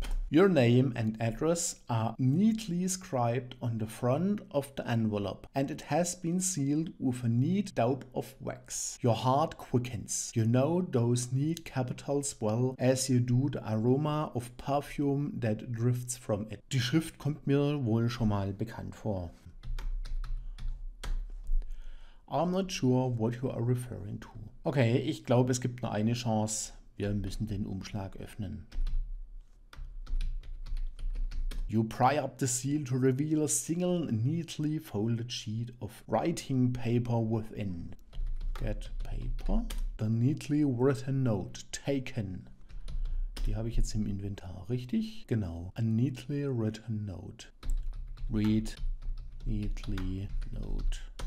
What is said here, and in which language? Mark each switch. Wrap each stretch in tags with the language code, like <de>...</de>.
<en>Your name and address are neatly scribed on the front of the envelope, and it has been sealed with a neat daub of wax. Your heart quickens. You know those neat capitals well, as you do the aroma of perfume that drifts from it.</en> <de>Die Schrift kommt mir wohl schon mal bekannt vor.</de> <en>I'm not sure what you are referring to.</en> <de>Okay, ich glaube, es gibt nur eine Chance. Wir müssen den Umschlag öffnen.</de> <en>You pry up the seal to reveal a single neatly folded sheet of writing paper within. Get paper. The neatly written note taken.</en> <de>Die habe ich jetzt im Inventar, richtig? Genau.</de> <en>A neatly written note. Read. Neatly note.</en>